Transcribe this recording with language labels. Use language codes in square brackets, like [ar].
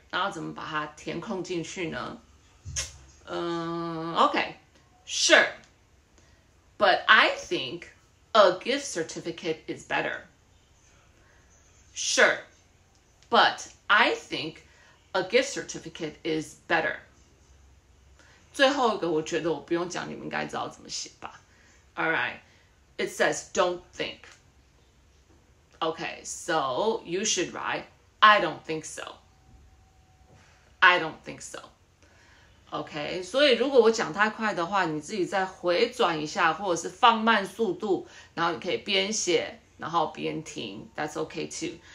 [zh] 那要怎么把它填空进去呢？ [en] Okay, sure. But I think a gift certificate is better. Sure. But I think a gift certificate is better. [zh] 最后一个我觉得我不用讲，你们应该知道怎么写吧。 [en] All right. It says don't think. Okay, so you should write. I don't think so. I don't think so. [zh] Okay, 所以如果我讲太快的话，你自己再回转一下，或者是放慢速度，然后你可以边写，然后边听 ， [en] That's okay too.